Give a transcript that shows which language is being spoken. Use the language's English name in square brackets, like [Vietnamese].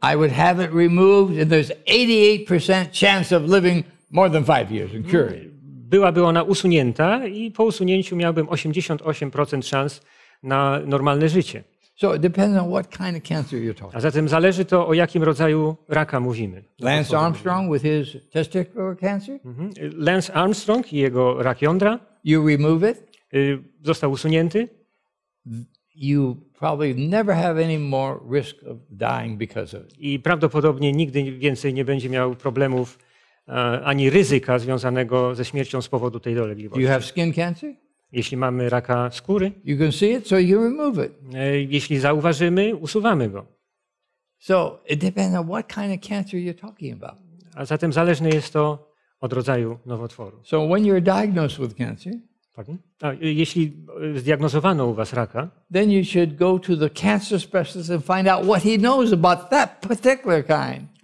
[English] I would have it removed and there's 88% chance of living more than 5 years and cure it. [Polish] Byłaby ona usunięta i po usunięciu miałbym 88% szans na normalne życie. [English] So it depends on what kind of cancer you're talking. [Polish] A zatem zależy to, o jakim rodzaju raka mówimy. [English] Lance Armstrong with his testicular cancer? [Polish] Lance Armstrong i jego rak jądra. [English] You remove it? [Polish] Został usunięty. [English] You probably never have any more risk of dying because of it. [Polish] I prawdopodobnie nigdy więcej nie będzie miał problemów ani ryzyka związanego ze śmiercią z powodu tej dolegliwości. [English] You have skin cancer? [Polish] Jeśli mamy raka skóry, [English] you can see it, so you remove it. [Polish] Jeśli zauważymy, usuwamy go. [English] So it depends on what kind of cancer you're talking about. [Polish] A zatem zależne jest to od rodzaju nowotworu. [English] So when you're diagnosed with cancer, [Polish] jeśli zdiagnozowano u was raka, [English] then you should go to the cancer specialist and find out what he knows about that particular kind.